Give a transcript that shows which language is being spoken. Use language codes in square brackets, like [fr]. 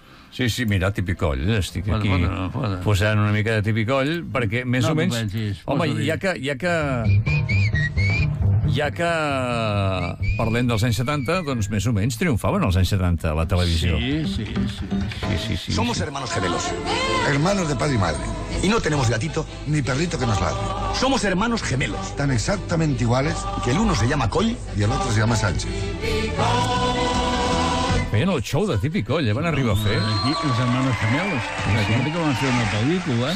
[ca] Sí, sí, mira, típic Oll. Estic aquí posant una mica de típic Oll, perquè més no, o menys... Pensis, home, ja que... Ja que parlem dels anys 70, doncs més o menys triomfaven els anys 70 a la televisió. Sí. [es] Somos hermanos gemelos, hermanos de padre y madre. Y no tenemos gatito ni perrito que nos ladre. Somos hermanos gemelos. Tan exactamente iguales que el uno se llama Coll y el otro se llama Sánchez. [ca] Feien el xou de típic Oll, van arribar a fer. Aquí, els hermanos gemelos. Sí. Que van fer una pel·lícula.